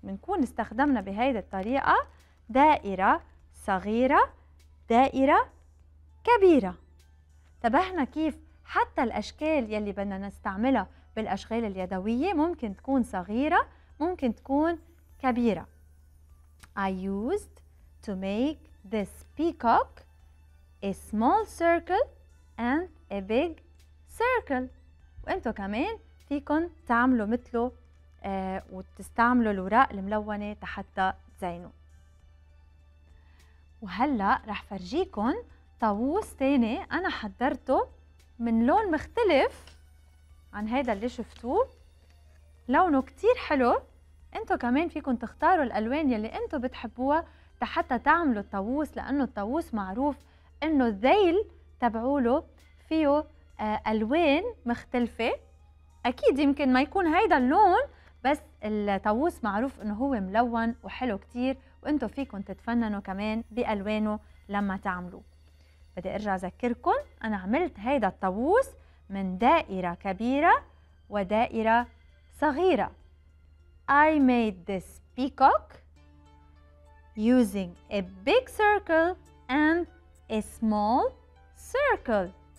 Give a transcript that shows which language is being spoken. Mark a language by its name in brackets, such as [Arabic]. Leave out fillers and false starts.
[Arabic] بنكون استخدمنا بهيدا الطريقة دائرة صغيرة دائرة كبيرة. تبهنا كيف حتى الأشكال يلي بدنا نستعملها بالأشغال اليدوية ممكن تكون صغيرة ممكن تكون كبيرة. [English] I used to make this peacock a small circle and a big circle. [Arabic] وانتو كمان فيكن تعملوا مثله وتستعملوا الوراق الملونة حتى تزينوا. وهلأ رح فرجيكن طاووس تاني انا حضرته من لون مختلف عن هيدا اللي شفتوه، لونه كتير حلو. انتو كمان فيكن تختاروا الالوان يلي انتو بتحبوها حتى تعملوا الطاووس، لانه الطاووس معروف انه الذيل تبعوله فيه ألوان مختلفة. أكيد يمكن ما يكون هيدا اللون بس الطاووس معروف إنه هو ملون وحلو كتير، وإنتو فيكن تتفننوا كمان بألوانه لما تعملوه. بدي أرجع أذكركن أنا عملت هيدا الطاووس من دائرة كبيرة ودائرة صغيرة. [English] I made this peacock using a big circle and a small circle.